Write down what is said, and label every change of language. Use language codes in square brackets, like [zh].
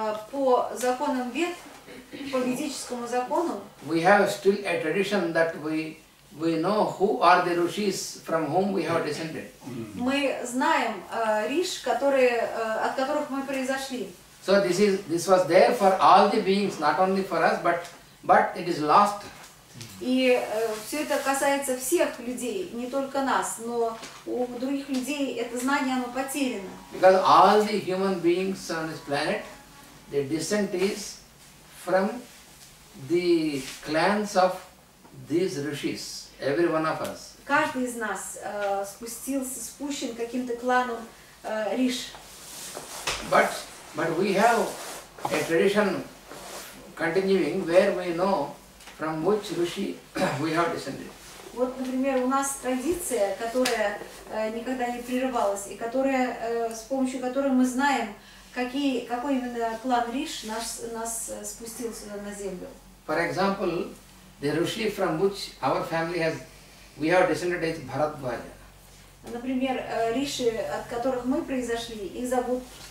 [ru] По законам Вед, по ведическому закону. [en] We have still a tradition that we know who are the rishis from whom we have descended. [ru] Мы знаем риш, которые от которых мы произошли. [en] So this was there for all the beings, not only for us, but it is lost. [ru] И все это касается всех людей, не только нас, но у других людей это знание оно потеряно. [en] Because all the human beings on this planet, their descent is from the clans of these rishis. Every one of us. [ru] Каждый из нас спущен каким-то кланом риш. [en] But we have a tradition continuing where we know from which rishi we have descended. [ru] Вот, например, у нас традиция, которая никогда не прерывалась и которая с помощью которой мы знаем, какой именно клан риш нас спустил сюда на землю. [en] For example. The rishi from which our family has, we have descended is Bharadvaja. [ru] Например, риши, от которых мы произошли, их зовут